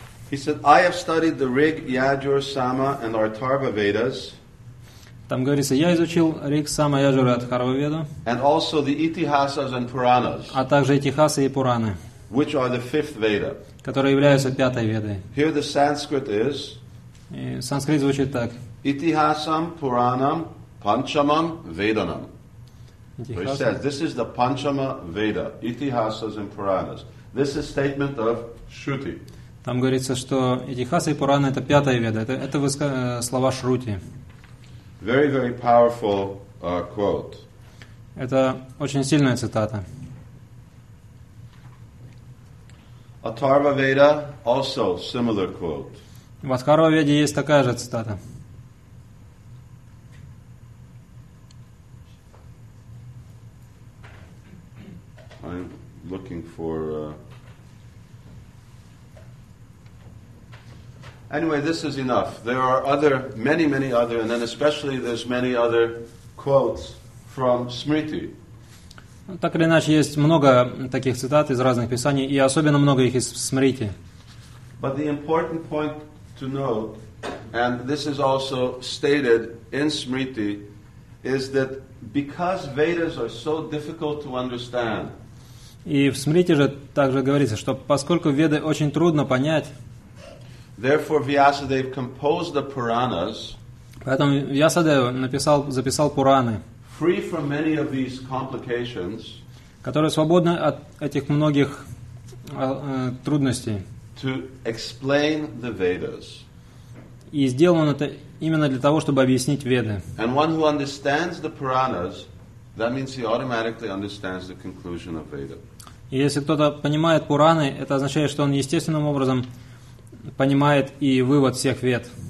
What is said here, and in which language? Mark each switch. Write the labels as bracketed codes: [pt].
[en] He said, I have studied the Rig, Yajur, Sama, and Atharva Vedas. [ru] Там говорится, я изучил Риг, Сама, Яджура, Атхарва Веду. [en] And also the Itihasas and Puranas. [ru] А также Итихасы и Пураны. [en] Which are the fifth Veda. [ru] Которые являются пятой Ведой. [en] Here the Sanskrit is. [ru] И санскрит звучит так. [sa] Itihasam Puranam Panchamam Vedanam. [en] So he says, this is the Panchama Veda, Itihasas and Puranas. This is a statement of Shruti. [ru] Там говорится, что Итихаса и Пурана это пятая Веда. Это слова Шрути. [en] Very, very powerful quote. [ru] Это очень сильная цитата. [en] Atharva Veda, also similar quote. [ru] В Атхарва Веде есть такая же цитата. [en] I'm looking for... Anyway, this is enough. There are other, many, many other, and then especially there's many other quotes from Smriti. [ru] Так или иначе, есть много таких цитат из разных писаний, и особенно много их из Смрити. [en] But the important point to note, and this is also stated in Smriti, is that because Vedas are so difficult to understand, [ru] и в Смрити же также говорится, что поскольку Веды очень трудно понять, поэтому Вьясадев записал Пураны, [en] free from many of these complications, [ru] которые свободны от этих многих трудностей, [en] to explain the Vedas. [ru] И сделан это именно для того, чтобы объяснить Веды. [en] And one who understands the Puranas, that means he automatically understands the conclusion of Veda. [ru] И если кто-то понимает Пураны, это означает, что он естественным образом понимает и вывод всех Вед.